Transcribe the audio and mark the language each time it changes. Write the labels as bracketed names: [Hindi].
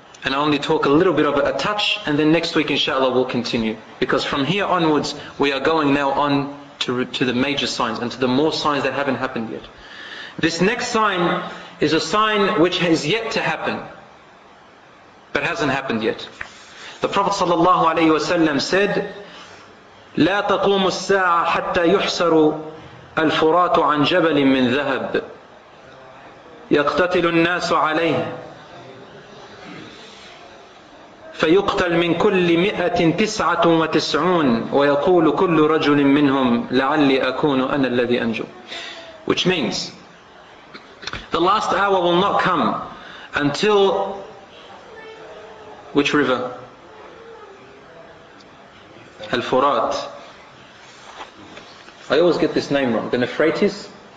[English] And I'll only talk a little bit of it, a touch, and then next week inshallah we'll continue. Because from here onwards, we are going now on to the major signs and to the more signs that haven't happened yet. This next sign is a sign which has yet to happen, but hasn't happened yet. The Prophet sallallahu alayhi wa sallam said, [Arabic] لا تقوم الساعة حتى يحسر الفرات عن جبل من ذهب يقتتل الناس عليه فيقتل من كل 199 ويقول كل رجل منهم لعلي أكون أنا الذي أنجو. [English] Which means, the last hour will not come until, which river? Al-Furat. I always get this name wrong. The Euphrates?